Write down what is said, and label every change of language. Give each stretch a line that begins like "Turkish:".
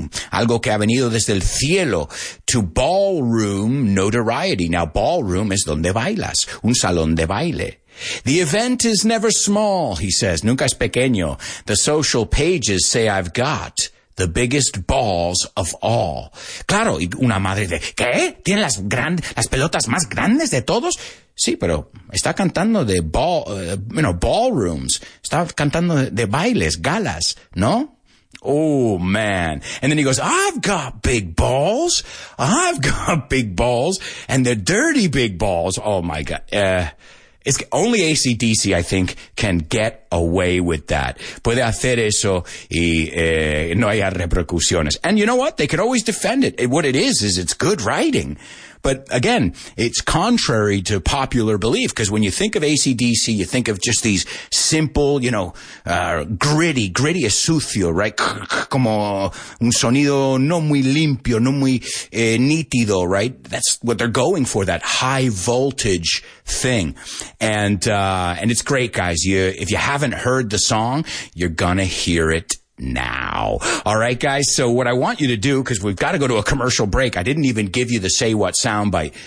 Spanish: Algo que ha venido desde el cielo,
English: to ballroom notoriety. Now, ballroom is
Spanish: donde bailas, un salón de baile.
English: The event is never small, he says.
Spanish: Nunca es pequeño.
English: The social pages say I've got the biggest balls of all.
Spanish: Claro, y una madre de, ¿qué? ¿Tiene las pelotas más grandes de todos? Sí, pero está cantando de ballrooms. Está cantando de bailes, galas, ¿no?
English: Oh, man. And then he goes, I've got big balls. I've got big balls. And they're dirty big balls. Oh, my God. It's only AC/DC, I think, can get away with that.
Spanish: Puede hacer eso y no hay repercusiones.
English: And you know what? They could always defend it. What it is it's good writing. But again, it's contrary to popular belief, because when you think of AC/DC, you think of just these simple, you know, gritty,
Spanish: es sucio,
English: right?
Spanish: Como un sonido no muy limpio, no muy nítido, right?
English: That's what they're going for, that high voltage thing. And it's great, guys. If you haven't heard the song, you're gonna hear it now. All right, guys. So what I want you to do, because we've got to go to a commercial break. I didn't even give you the Say What soundbite.